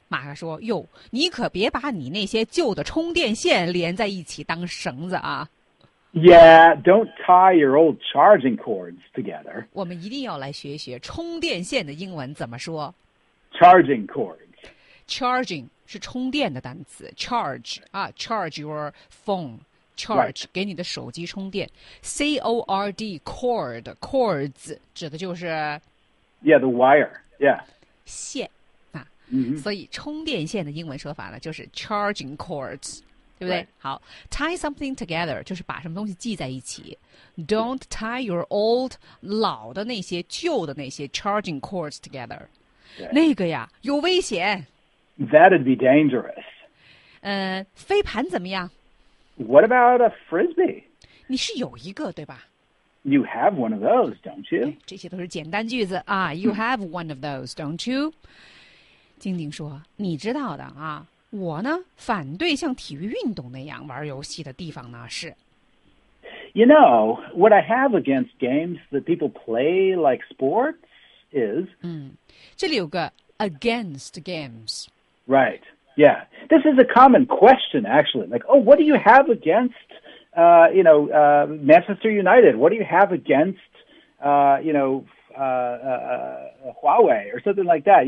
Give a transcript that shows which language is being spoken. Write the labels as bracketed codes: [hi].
[zh] 马克说：“哟，你可别把你那些旧的充电线连在一起当绳子啊。” [en] Yeah, don't tie your old charging cords together. [zh] 我们一定要来学一学充电线的英文怎么说。 [en] Charging cords. Charging 是充电的单词。Charge, charge your phone. Charge,、 right. [zh] 给你的手机充电。 [en] C-O-R-D, cord, cords, [zh] 指的就是。 [en] Yeah, the wire, yeah. [zh] 线。所以充电线的英文说法呢就是 [en] charging cords， [zh] 对不对？ [en] Right. [zh] 好 ， [en] tie something together [zh] 就是把什么东西系在一起。 [en] Don't tie your old [zh] 老的那些旧的那些 [en] charging cords together， 那个呀有危险。 That'd be dangerous。 [zh] 飞盘怎么样 [en] ？What about a frisbee？ [zh] 你是有一个对吧？ [en] You have one of those, don't you? [zh] 这些都是简单句子啊。 [en] You have one of those, don't you? [zh] 静静说，你知道的啊，我呢反对像体育运动那样玩游戏的地方呢是。 [en] You know, what I have against games that people play like sports is... [zh] 这里有个 [en] against games. Right, yeah. This is a common question, actually. Like, oh, what do you have against... Manchester United, what do you have against, Huawei or something like that?